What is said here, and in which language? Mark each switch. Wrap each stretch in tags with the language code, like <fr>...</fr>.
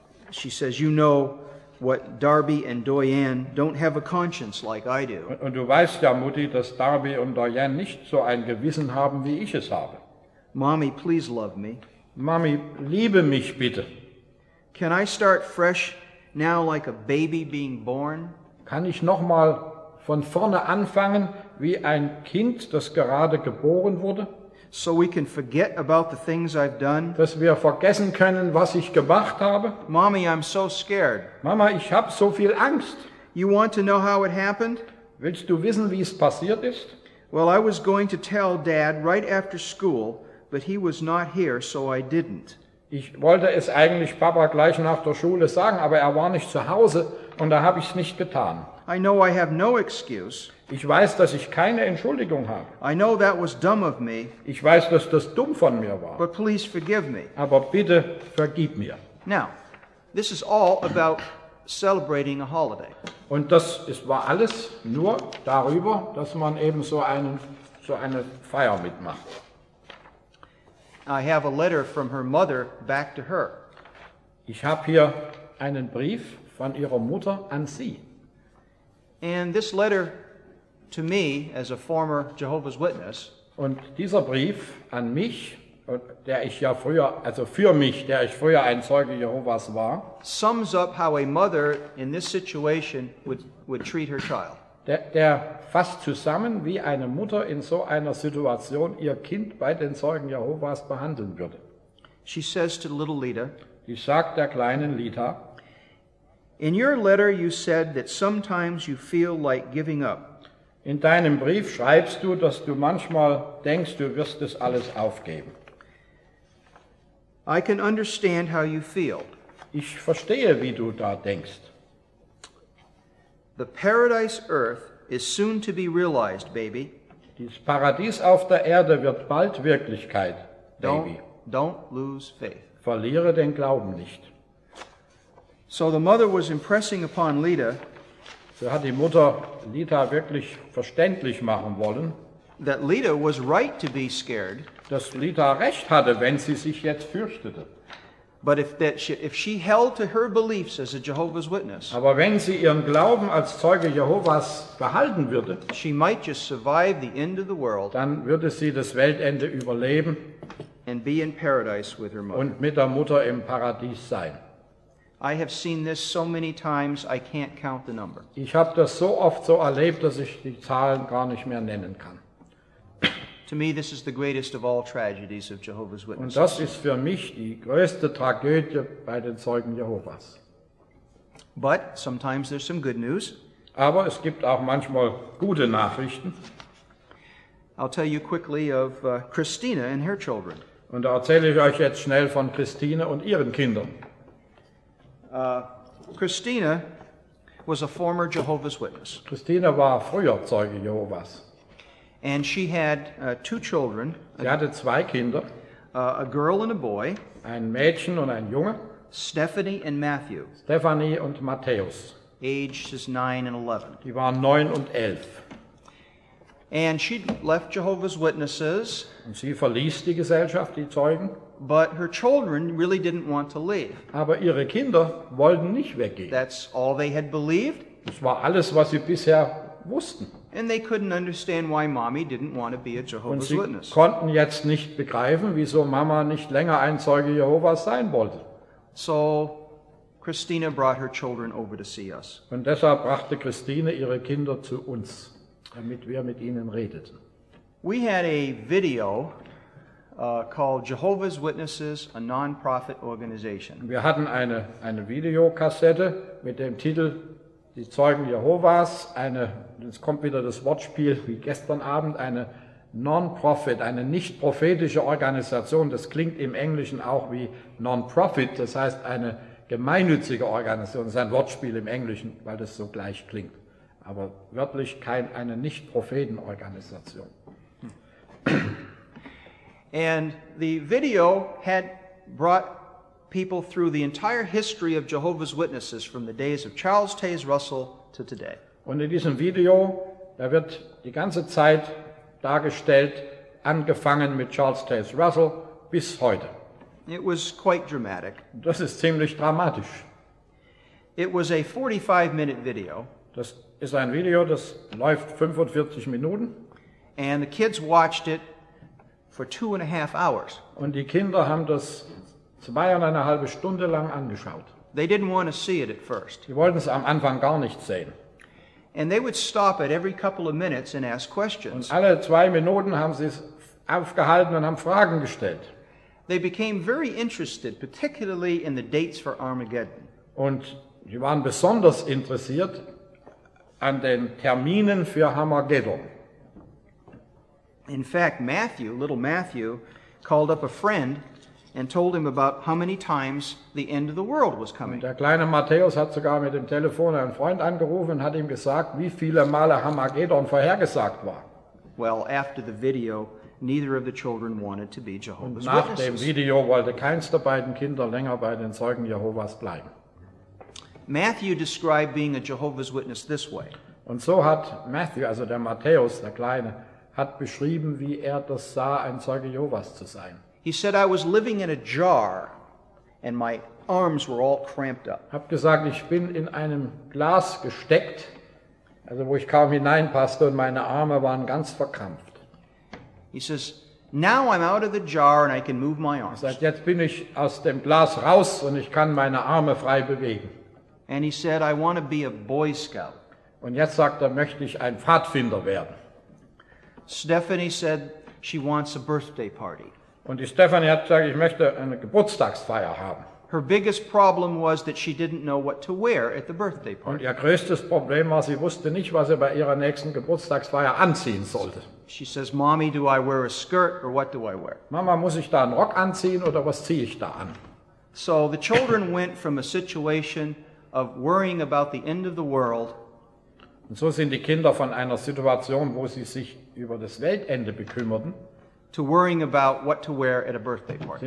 <en>She says, "You know what Darby and Doyen don't have a conscience like I do."</en> <de>Und du weißt ja, Mutti, dass Darby und Doyen nicht so ein Gewissen haben wie ich es habe.</de> <en>Mommy, please love me.</en> <de>Mami, liebe mich bitte.</de> <en>Can I start fresh now, like a baby being born?</en> <de>Kann ich noch mal von vorne anfangen, wie ein Kind, das gerade geboren wurde?</de> <en>So we can forget about the things I've done.</en> <de>Dass wir vergessen können, was ich gemacht habe.</de> <en>Mommy, I'm so scared.</en> <de>Mama, ich habe so viel Angst.</de> <en>You want to know how it happened?</en> <de>Willst du wissen, wie es passiert ist?</de> <en>Well, I was going to tell Dad right after school, but he was not here, so I didn't.</en> <de>Ich wollte es eigentlich Papa gleich nach der Schule sagen, aber er war nicht zu Hause und da habe ich es nicht getan.</de> <en>I know I have no excuse.</en> <de>Ich weiß, dass ich keine Entschuldigung habe.</de> <en>I know that was dumb of me.</en> <de>Ich weiß, dass das dumm von mir war.</de> <en>But please forgive me.</en> <de>Aber bitte vergib mir.</de> <en>Now, this is all about celebrating a holiday.</en> <de>Und das ist, war alles nur darüber, dass man eben so eine Feier mitmacht.</de> <en>I have a letter from her mother back to her.</en> <de>Ich habe hier einen Brief von ihrer Mutter an sie.</de> <en>And this letter to me as a former Jehovah's Witness.</en> <de>Und dieser Brief an mich, der ich ja früher, also für mich, der ich früher ein Zeuge Jehovas war.</de> <en>Sums up how a mother in this situation would treat her child.</en> <de>Der fasst zusammen, wie eine Mutter in so einer Situation ihr Kind bei den Zeugen Jehovas behandeln würde.</de> <en>She says to little Lita.</en> <de>Sie sagt der kleinen Lita.</de> <en>In your letter you said that sometimes you feel like giving up.</en> <de>In deinem Brief schreibst du, dass du manchmal denkst, du wirst es alles aufgeben.</de> <en>I can understand how you feel.</en> <de>Ich verstehe, wie du da denkst.</de> <en>The paradise earth is soon to be realized, baby.</en> <de>Das Paradies auf der Erde wird bald Wirklichkeit, baby.</de> <en>Don't lose faith.</en> <de>Verliere den Glauben nicht.</de> <en>So the mother was impressing upon Lita.</en> <de>So hat die Mutter Lita wirklich verständlich machen wollen.</de> <en>That Lita was right to be scared.</en> <de>Dass Lita recht hatte, wenn sie sich jetzt fürchtete.</de> <en>But if she held to her beliefs as a Jehovah's Witness.</en> <de>Aber wenn sie ihren Glauben als Zeuge Jehovas behalten würde.</de> <en>She might just survive the end of the world.</en> <de>Dann würde sie das Weltende überleben.</de> <en>And be in paradise with her mother.</en> <de>Und mit der Mutter im Paradies sein.</de> <en>I have seen this so many times I can't count the number.</en> <de>Ich habe das so oft so erlebt, dass ich die Zahlen gar nicht mehr nennen kann.</de> <en>To me this is the greatest of all tragedies of Jehovah's Witnesses.</en> <de>Und das ist für mich die größte Tragödie bei den Zeugen Jehovas.</de> <en>But sometimes there's some good news.</en> <de>Aber es gibt auch manchmal gute Nachrichten.</de> <en>I'll tell you quickly of Christina and her children.</en> <de>Und da erzähle ich euch jetzt schnell von Christina und ihren Kindern.</de> <en>Christina was a former Jehovah's Witness.</en> <de>Christina war früher Zeuge Jehovas.</de> <en>And she had two children.</en> <de>Sie hatte zwei Kinder.</de> <en>A girl and a boy.</en> <de>Ein Mädchen und ein Junge.</de> <en>Stephanie and Matthew.</en> <de>Stephanie und Matthäus.</de> <en>Ages 9 and 11.</en> <de>Die waren 9 und 11.</de> <en>And she left Jehovah's Witnesses.</en> <de>Und sie verließ die Gesellschaft, die Zeugen.</de> <en>But her children really didn't want to leave.</en> <de>Aber ihre Kinder wollten nicht weggehen.</de> <en>That's all they had believed.</en> <de>Das war alles, was sie bisher wussten.</de> <en>And they couldn't understand why Mommy didn't want to be a Jehovah's Witness.</en> <de>Und sie konnten jetzt nicht begreifen, wieso Mama nicht länger ein Zeuge Jehovas sein wollte.</de> <en>So Christina brought her children over to see us.</en> <de>Und deshalb brachte Christine ihre Kinder zu uns, damit wir mit ihnen redeten.</de> <en>We had a video called Jehovah's Witnesses, a non-profit organization.</en> <de>Wir hatten eine Videokassette mit dem Titel Die Zeugen Jehovas, jetzt kommt wieder das Wortspiel wie gestern Abend, eine Non-Profit, eine nicht-prophetische Organisation. Das klingt im Englischen auch wie Non-Profit, das heißt eine gemeinnützige Organisation. Das ist ein Wortspiel im Englischen, weil das so gleich klingt. Aber wörtlich eine Nicht-Propheten-Organisation.</de> <en>And the video had brought people through the entire history of Jehovah's Witnesses from the days of Charles Taze Russell to today.</en> <de>Und in diesem Video, da wird die ganze Zeit dargestellt, angefangen mit Charles Taze Russell bis heute.</de> <en>It was quite dramatic.</en> <de>Das ist ziemlich dramatisch.</de> <en>It was a 45-minute video.</en> <de>Das ist ein Video, das läuft 45 Minuten.</de> <en>And the kids watched it for 2.5 hours.</en> <de>Und die Kinder haben das 2.5 Stunden lang angeschaut.</de> <en>They didn't want to see it at first.</en> <de>Die wollten es am Anfang gar nicht sehen.</de> <en>And they would stop at every couple of minutes and ask questions.</en> <de>Und alle 2 Minuten haben sie es aufgehalten und haben Fragen gestellt.</de> <en>They became very interested, particularly in the dates for Armageddon.</en> <de>Und sie waren besonders interessiert an den Terminen für Armageddon.</de> <en>In fact, Matthew, little Matthew, called up a friend and told him about how many times the end of the world was coming.</en> <de>Und der kleine Matthäus hat sogar mit dem Telefon einen Freund angerufen und hat ihm gesagt, wie viele Male Armageddon vorhergesagt war.</de> <en>Well, after the video, neither of the children wanted to be Jehovah's Witnesses.</en> <de>Nach dem Video wollte keins der beiden Kinder länger bei den Zeugen Jehovas bleiben.</de> <en>Matthew described being a Jehovah's Witness this way.</en> <de>Und so hat Matthew, also der Matthäus, der Kleine, hat beschrieben, wie er das sah, ein Zeuge Jehovas zu sein.</de> <en>He said, I was living in a jar and my arms were all cramped up.</en> <de>Hab gesagt, ich bin in einem Glas gesteckt, also wo ich kaum hineinpasste und meine Arme waren ganz verkrampft.</de> <en>He says, now I'm out of the jar and I can move my arms.</en> <de>Sagt, jetzt bin ich aus dem Glas raus und ich kann meine Arme frei bewegen.</de> <en>And he said, I want to be a Boy Scout.</en> <de>Und jetzt sagt er, möchte ich ein Pfadfinder werden.</de> <en>Stephanie said, she wants a birthday party.</en> <de>Und die Stephanie hat gesagt, ich möchte eine Geburtstagsfeier haben.</de> <en>Her biggest problem was that she didn't know what to wear at the birthday party.</en> <de>Und ihr größtes Problem war, sie wusste nicht, was sie bei ihrer nächsten Geburtstagsfeier anziehen sollte.</de> <en>She says, Mommy, do I wear a skirt or what do I wear?</en> <de>Mama, muss ich da einen Rock anziehen oder was ziehe ich da an?</de> <en>So the children went from a situation of worrying about the end of the world.</en> <de>Und so sind die Kinder von einer Situation, wo sie sich über das Weltende bekümmerten,</de> <en>to worrying about what to wear at a birthday party.</en>